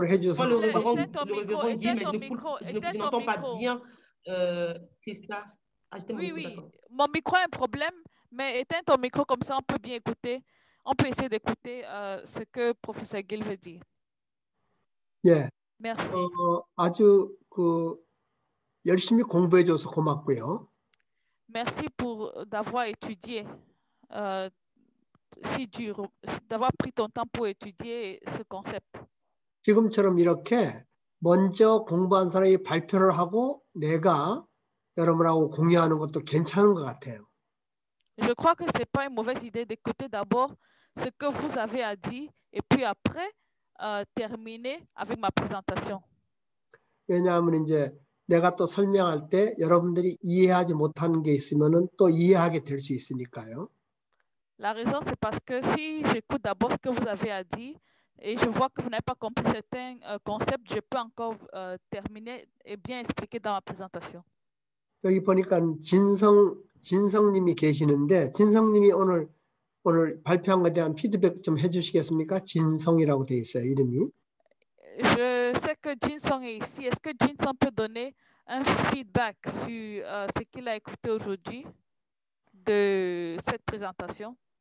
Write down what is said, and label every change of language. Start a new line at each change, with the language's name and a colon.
French: éteins ton micro. Éteins ton micro. Je n'entends pas bien, Christa. Oui. Mon micro a un problème, mais éteins ton micro comme ça, on peut bien écouter. On peut essayer d'écouter ce que professeur Gil veut dire. Yeah. Merci.
Korean: 아주 그 열심히 공부해 줘서 고맙고요.
French: Merci pour d'avoir étudié si dur, d'avoir pris ton temps pour étudier ce concept.
Korean: 지금처럼 이렇게 먼저 공부한 사람이 발표를 하고 내가 여러분하고 공유하는 것도 괜찮은 것 같아요.
French: Je crois que c'est pas une mauvaise idée d'écouter d'abord ce que vous avez à dire et puis après terminer avec ma présentation.
Korean: 왜냐하면 이제 내가 또 설명할 때 여러분들이 이해하지 못하는 게 있으면은 또 이해하게 될 수 있으니까요.
French: La raison c'est parce que si j'écoute d'abord ce que vous avez à dire et je vois que vous n'avez pas compris certains concepts, je peux encore terminer et bien expliquer dans ma présentation.
Korean: 여기 보니까 진성님이 계시는데 진성님이 오늘 발표한 것에 대한 피드백 좀 해주시겠습니까? 진성이라고 돼 있어요 이름이.
French: Je sais que Jinsong est ici. Est-ce que Jinsong peut donner un feedback sur ce qu'il a écouté aujourd'hui de cette présentation?